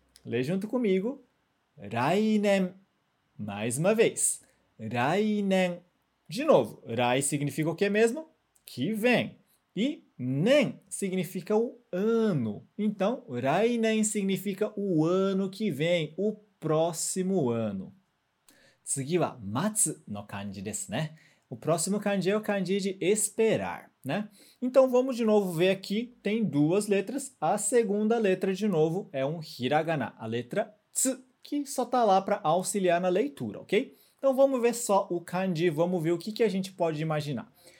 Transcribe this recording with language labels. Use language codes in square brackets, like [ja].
[pt] Lê junto comigo. Rai nen. Mais uma vez. Rai nen. De novo, rai significa o que mesmo? Que vem. E... Nen significa o ano. Então, rainen significa o ano que vem, o próximo ano. [ja] 次は待つの漢字ですね。 [pt] O próximo kanji é o kanji de esperar, né? Então, vamos de novo ver aqui. Tem duas letras. A segunda letra, de novo, é um hiragana. A letra tsu, que só está lá para auxiliar na leitura, ok? Então, vamos ver só o kanji. Vamos ver o que, que a gente pode imaginar.